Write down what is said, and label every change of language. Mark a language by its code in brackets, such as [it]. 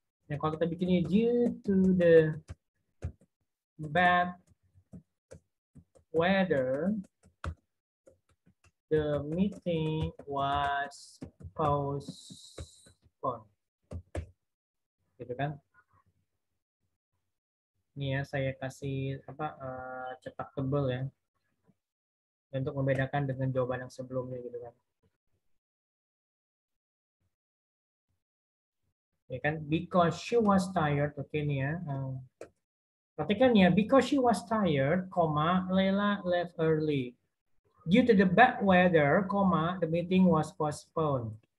[id] Ya, kalau kita bikinnya [en] due to the bad weather, the meeting was postponed. [id] Gitu kan. Ini ya saya kasih apa cetak tebel ya. Untuk membedakan dengan jawaban yang sebelumnya gitu kan. Ya kan, [en] because she was tired, oke okay, [id] nih ya. Perhatikan ya, [en] because she was tired, comma, Layla left early. Due to the bad weather, comma, the meeting was postponed.